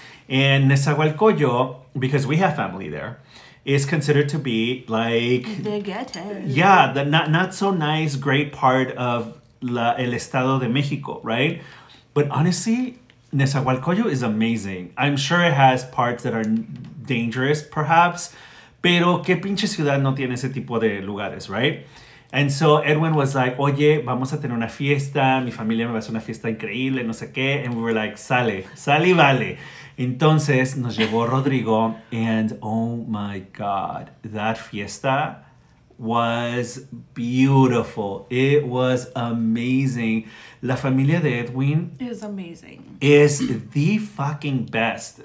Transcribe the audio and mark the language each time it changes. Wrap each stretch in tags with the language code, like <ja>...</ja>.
<en>And Nezahualcóyotl, because we have family there, is considered to be like... The ghetto. Yeah, the not so nice, great part of el Estado de México, right? But honestly, Nezahualcóyotl is amazing. I'm sure it has parts that are dangerous, perhaps.</en> <es>Pero qué pinche ciudad no tiene ese tipo de lugares, right?</es> <en>And so Edwin was like,</en> <es>oye, vamos a tener una fiesta. Mi familia me va a hacer una fiesta increíble, no sé qué.</es> <en>And we were like,</en> <es>sale y vale. Entonces nos llevó Rodrigo.</es> <en>And oh my God, that fiesta was beautiful. It was amazing.</en> <es>La familia de Edwin</es> <en>is amazing. Is the fucking best.</en>